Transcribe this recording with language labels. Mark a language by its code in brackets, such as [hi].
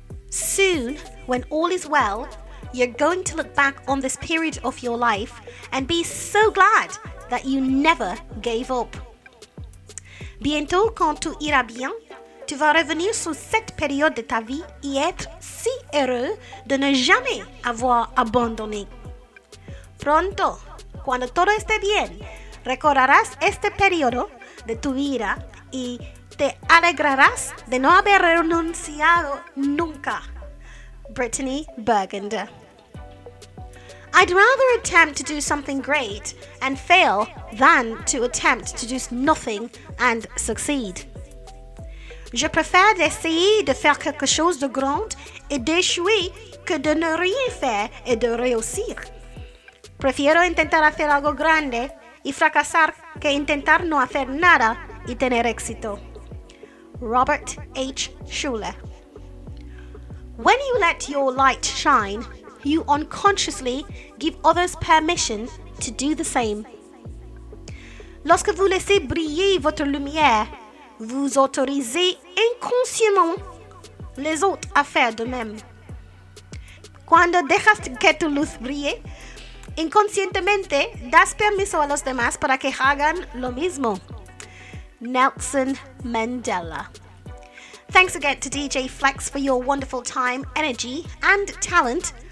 [en] Soon, when all is well, you're going to look back on this period of your life and be so glad that you never gave up. [fr] Bientôt, quand tout ira bien, tu vas revenir sur cette période de ta vie et être si heureux de ne jamais avoir abandonné. [es] Pronto, cuando todo esté bien, recordarás este periodo de tu vida y te alegrarás de no haber renunciado nunca. Brittany Burgunder. [en] I'd rather attempt to do something great and fail than to attempt to do nothing and succeed. [fr] Je préfère d'essayer de faire quelque chose de grand et d'échouer que de ne rien faire et de réussir. [es] Prefiero intentar hacer algo grande y fracasar que intentar no hacer nada y tener éxito. [en] Robert H. Schuller. When you let your light shine, you unconsciously give others permission to do the same. [fr] Lorsque vous laissez briller votre lumière, vous autorisez inconsciemment les autres à faire de même. [es] Cuando dejas que tu luz brille, inconscientemente das permiso a los demás para que hagan lo mismo. [en] Nelson Mandela. Thanks again to DFlex for your wonderful time, energy, and talent.